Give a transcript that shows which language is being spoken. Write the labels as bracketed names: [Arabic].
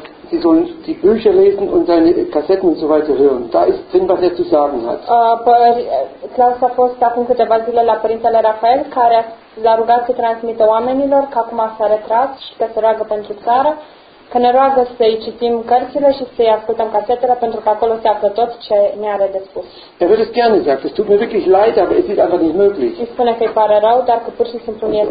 [German] Sie sollen die Bücher lesen und seine Kassetten und so weiter hören. Da ist drin, was er zu sagen hat. [Romanian] Klaus a fost acum câteva zile la Părintele Rafael, care l-a rugat să transmită oamenilor că acum s-a retras și că se roagă pentru țară, că ne roagă să-i citim cărțile și să-i ascultăm casetele, pentru că acolo se află tot ce ne are de spus. [German] Er würde es gerne sagen, es tut mir wirklich leid, aber es ist einfach nicht möglich. [Romanian] Îi spune că îi pare rău, dar că pur și simplu nu este